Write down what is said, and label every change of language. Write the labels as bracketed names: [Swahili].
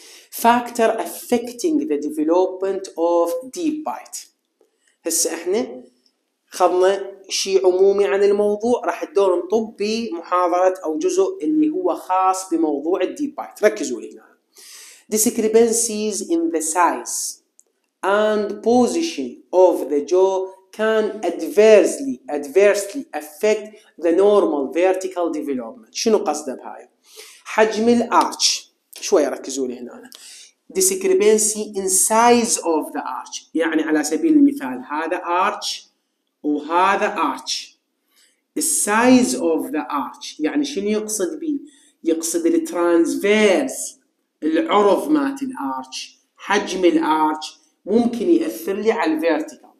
[English] Factor affecting the development of deep bite. [Arabic] هسه احنا خضنا شيء عمومي عن الموضوع، راح الدور نطبي محاضرة أو جزء اللي هو خاص بموضوع الديب بايت. ركزوا لي هنا. [English] Discrepancies in the size and position of the jaw can adversely affect the normal vertical development. [Arabic] شنو قصده بهاي؟ حجم الارتش، شوي ركزوا لي هنا. [English] Discrepancy in size of the arch، [Arabic] يعني على سبيل المثال هذا arch وهذا arch. [English] The size of the arch [Arabic] يعني شنو يقصد به؟ يقصد الترانسفيرس، العرض مات الارتش، حجم الارتش ممكن يأثر لي على الفيرتيكال.